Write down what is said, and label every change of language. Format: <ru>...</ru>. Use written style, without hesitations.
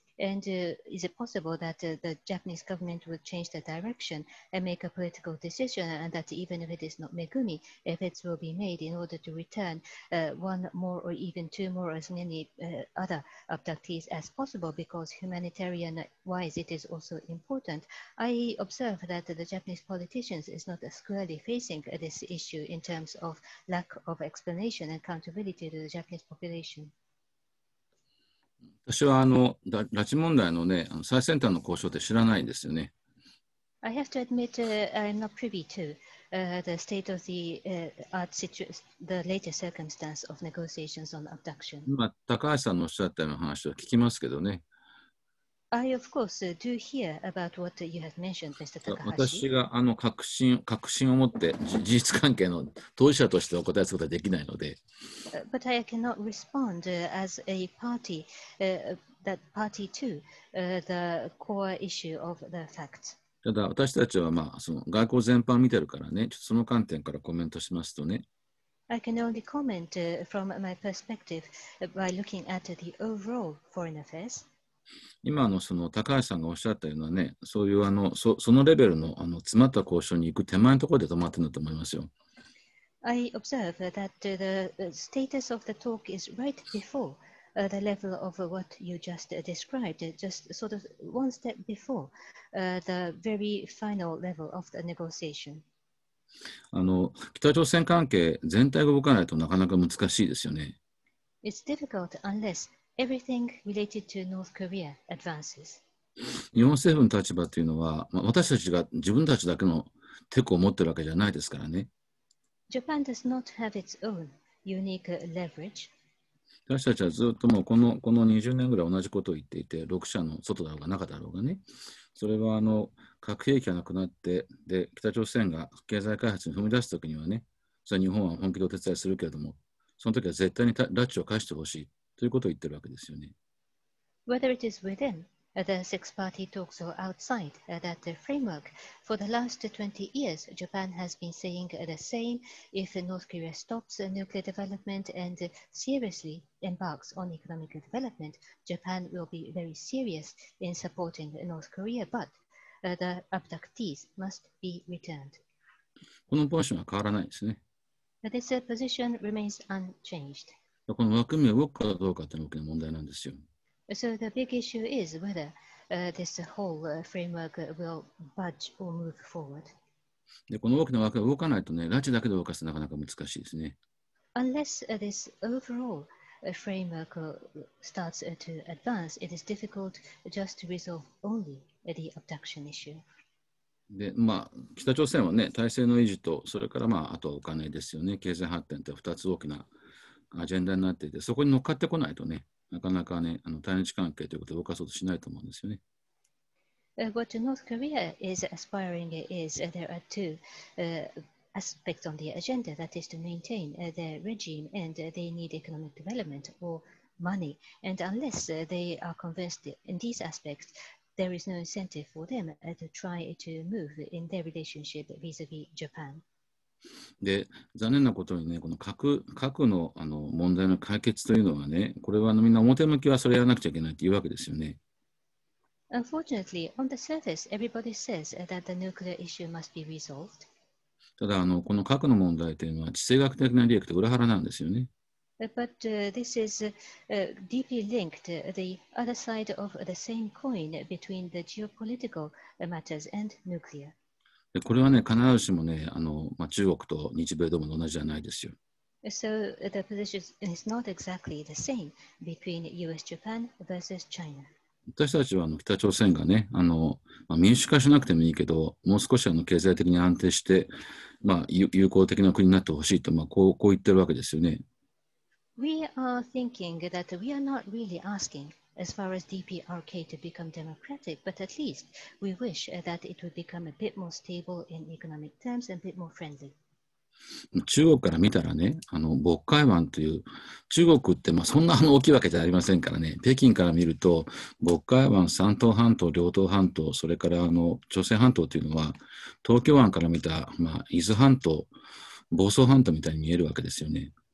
<en>And is it possible that the Japanese government will change the direction and make a political decision, and that even if it is not Megumi, efforts will be made in order to return one more or even two more as many other abductees as possible, because humanitarian wise it is also important. I observe that the Japanese politicians is not squarely facing this issue in terms of lack of explanation and accountability to the Japanese population.</en> <ja>私はあの拉致問題 の,、ね、あの最先端の交渉って知らないんですよね。</ja> <en>I have to admit I'm not privy to the state of the, the latest circumstance of negotiations on abduction.</en> <ja>今、高橋さんのおっしゃったような話を聞きますけどね。</ja> <en>I of course do hear about what you have mentioned, Mr. Takahashi.</en> <ja>私があの確信を持って事実関係の当事者としてお答えすることはできないので。</ja> <en>But I cannot respond as a party, that party to, the core issue of the fact.</en> <ja>ただ私たちは、まあ、その外交全般を見てるからね、ちょっとその観点からコメントしますとね。</ja> <en>I can only comment from my perspective by looking at the overall foreign affairs.</en> <ja>今 の, その高橋さんがおっしゃったようなね、そういうあの そのレベル の, あの詰まった交渉に行く手前のところで止まってるんだと思いますよ。</ja> <en>I observe that the status of the talk is right before the level of what you just described, just sort of one step before the very final level of the negotiation.</en> <ja>あの北朝鮮関係全体が動かないとなかなか難しいですよね。</ja> <en>It's difficult unless... Everything related to North Korea advances.</en> <ja>日本政府の立場というのは、まあ、私たちが自分たちだけのテコを持ってるわけじゃないですからね。</ja> <en>Japan does not have its own unique leverage.</en> <ja>私たちはずっともうこの20年ぐらい同じことを言っていて、6社の外だろうが中だろうがね。それはあの核兵器がなくなって、で北朝鮮が経済開発に踏み出すときにはね、それは日本は本気でお手伝いするけれども、そのときは絶対に拉致を返してほしい。ということを言ってるわけですよね。</ja> <en>Whether it is within the six-party talks or outside that framework, for the last 20 years, Japan has been saying the same. If North Korea stops nuclear development and seriously embarks on economic development, Japan will be very serious in supporting North Korea. But the abductees must be returned.</en> <ja>このポジションは変わらないですね。</ja> <en>This position remains unchanged.</en> <ja>この枠組みが動くかどうかというのが大きな問題なんですよ。</ja> <en>So the big issue is whether this whole framework will budge or move forward.</en> <ja>で、この大きな枠が動かないとね、拉致だけで動かすとなかなか難しいですね。</ja> <en>Unless this overall framework starts to advance, it is difficult just to resolve only the abduction issue.</en> <ja>で、まあ、北朝鮮はね、体制の維持と、それからまあ、あとはお金ですよね、経済発展って2つ大きなアジェンダになっていて、そこに乗っかってこないとね、なかなかね、あの対日関係ということを動かそうとしないと思うんですよね。</ja> <en>What North Korea is aspiring is there are two aspects on the agenda, that is to maintain their regime and they need economic development or money. And unless they are convinced in these aspects, there is no incentive for them to try to move in their relationship vis-a-vis Japan.</en> <ja>で残念なことにね、この 核の, あの問題の解決というのはね、これはあのみんな表向きはそれやらなくちゃいけないというわけですよね。</ja> <en>Unfortunately, on the surface, everybody says that the nuclear issue must be resolved.</en> <ja>ただあの、この核の問題というのは地政学的な利益と裏腹なんですよね。</ja> <en>But this is deeply linked, the other side of the same coin between the geopolitical matters and nuclear.</en> <ja>これはね、必ずしもね、あのまあ、中国と日米同盟と同じじゃないですよ。</ja> <en>So the position is not exactly the same between US Japan versus China.</en> <ja>私たちはあの北朝鮮がね、あのまあ、民主化しなくてもいいけど、もう少しあの経済的に安定して、まあ、友好的な国になってほしいと、まあ、こう言ってるわけですよね。</ja> <en>We are thinking that we are not really asking. As far as DPRK to become democratic, but at least we wish that it would become a bit more stable in economic terms and a bit more friendly.</en> <ja>中国から見たらね、あの渤海湾という中国ってまあそんな大きいわけじゃありませんからね。北京から見ると渤海湾、山東半島、遼東半島、それからあの朝鮮半島というのは東京湾から見たまあ伊豆半島、房総半島みたいに見えるわけですよね。</ja>